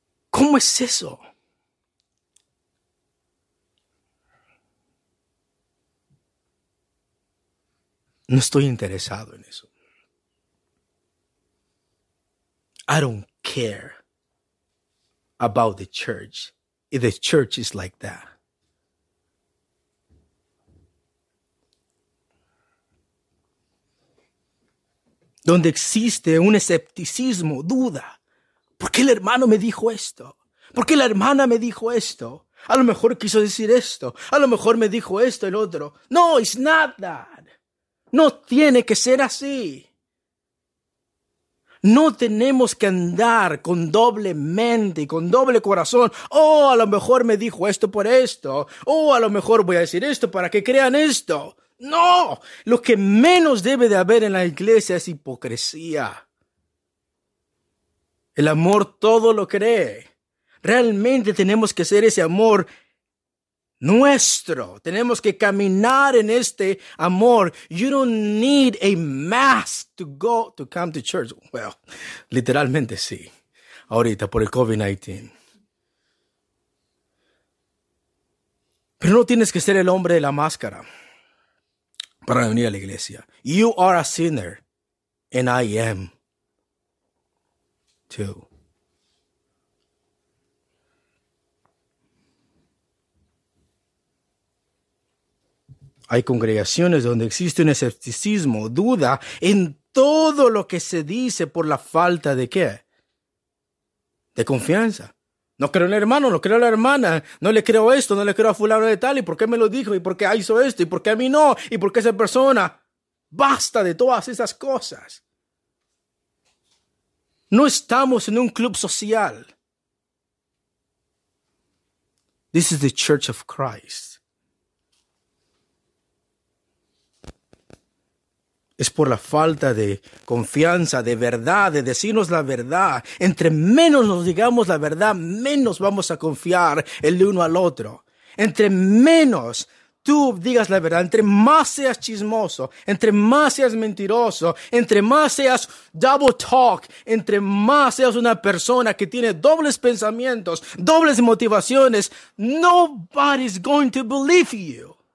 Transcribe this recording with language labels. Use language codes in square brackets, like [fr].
[es] ¿Cómo es eso? No estoy interesado en eso. [en] I don't care about the church. If the church is like that. [es] Donde existe un escepticismo, duda. ¿Por qué el hermano me dijo esto? ¿Por qué la hermana me dijo esto? A lo mejor quiso decir esto. A lo mejor me dijo esto el otro. [en] No, it's not that. [es] No tiene que ser así. No tenemos que andar con doble mente y con doble corazón. Oh, a lo mejor me dijo esto por esto. Oh, a lo mejor voy a decir esto para que crean esto. No, lo que menos debe de haber en la iglesia es hipocresía. El amor todo lo cree. Realmente tenemos que ser ese amor nuestro. Tenemos que caminar en este amor. [en] You don't need a mask to go to come to church. [es] Well, literalmente sí. Ahorita por el COVID-19. Pero no tienes que ser el hombre de la máscara para venir a la iglesia. [en] You are a sinner and I am too. [es] Hay congregaciones donde existe un escepticismo, duda en todo lo que se dice por la falta de ¿qué? De confianza. No creo en el hermano, no creo en la hermana, no le creo esto, no le creo a fulano de tal, ¿y por qué me lo dijo? ¿Y por qué hizo esto? ¿Y por qué a mí no? ¿Y por qué esa persona? Basta de todas esas cosas. No estamos en un club social. [en] This is the Church of Christ. [es] Es por la falta de confianza, de verdad, de decirnos la verdad. Entre menos nos digamos la verdad, menos vamos a confiar el uno al otro. Entre menos tú digas la verdad, entre más seas chismoso, entre más seas mentiroso, entre más seas [en] double talk, [es] entre más seas una persona que tiene dobles pensamientos, dobles motivaciones, [en] nobody's going to believe you.